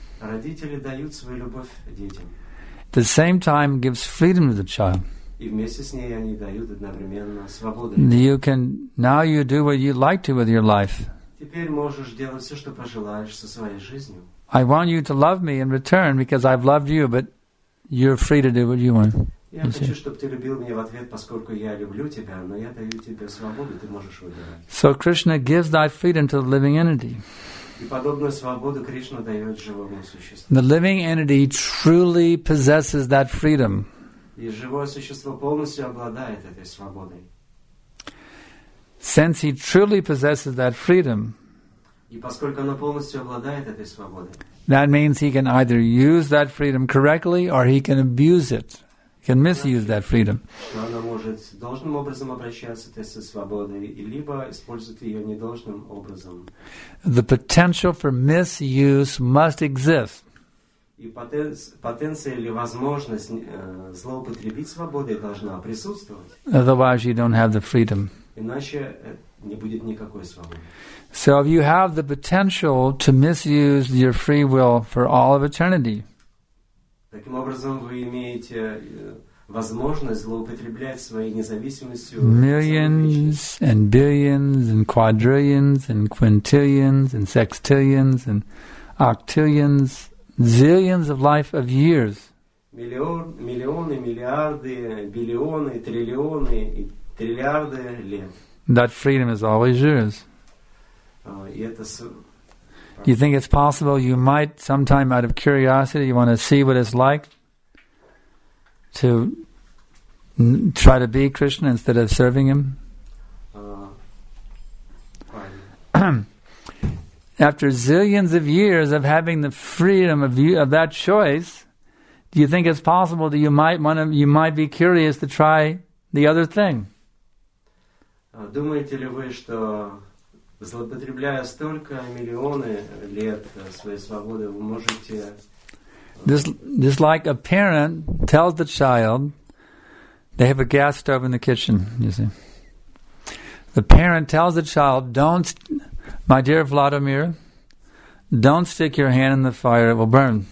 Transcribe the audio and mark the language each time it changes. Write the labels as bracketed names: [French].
[Russian] Родители дают свою любовь детям. [English] At the same time, gives freedom to the child. [Russian] И вместе с ней они дают одновременно свободу. [English] You can now you do what you like to with your life. [Russian] Теперь можешь делать все, что пожелаешь со своей жизнью. [English] I want you to love me in return because I've loved you, but you're free to do what you want. [Russian] Я хочу, чтобы ты любил меня в ответ, поскольку я люблю тебя, но я даю тебе свободу, ты можешь выбирать. [English] So Krishna gives thy freedom to the living entity. [Russian] И подобную свободу Кришна дает живому существу. [English] The living entity truly possesses that freedom. [Russian] И живое существо полностью обладает этой свободой. [English] Since he truly possesses that freedom, [Russian] и поскольку он полностью обладает этой свободой, [English] that means he can either use that freedom correctly or he can abuse it, he can misuse that freedom. [Russian] Он может должным образом обращаться с этой свободой, либо использовать ее недолжным образом. [English] The potential for misuse must exist. [Russian] И потенция или возможность злоупотребить свободой должна присутствовать. [English] Otherwise you don't have the freedom. [Russian] Иначе не будет никакой свободы. [English] So if you have the potential to misuse your free will for all of eternity, [Russian] таким образом вы имеете возможность злоупотреблять своей независимостью. [English] Millions and billions and quadrillions and quintillions and sextillions and octillions, zillions of life of years. [Russian] Миллионы, миллиарды, биллионы, триллионы и триллиарды лет. [English] That freedom is always yours. Do you think it's possible you might sometime out of curiosity you want to see what it's like to try to be Krishna instead of serving him? After zillions of years of having the freedom of that choice, do you think it's possible that you might be curious to try the other thing? [Russian] Думаете ли вы, что злоупотребляя столько миллионы лет своей свободы, вы можете... [English] Just like a parent tells the child, they have a gas stove in the kitchen, you see. The parent tells the child, my dear Vladimir, don't stick your hand in the fire, it will burn.